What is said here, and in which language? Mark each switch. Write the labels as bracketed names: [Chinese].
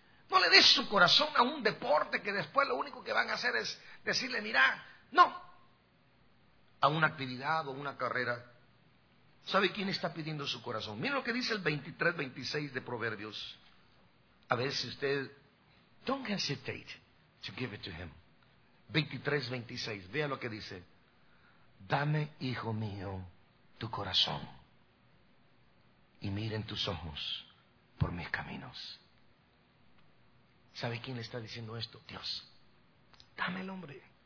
[Spanish] No le des su corazón a un deporte que después lo único que van a hacer es decirle, mira, no. A una actividad o una carrera. ¿Sabe quién está pidiendo su corazón? Mira lo que dice el 23-26 de Proverbios. A ver si usted... [English] Don't hesitate to give it to him. [Spanish] 23-26, vea lo que dice. Dame, hijo mío, tu corazón y mira en tus ojos por mis caminos. ¿Sabe quién le está diciendo esto? Dios. Dame el hombre.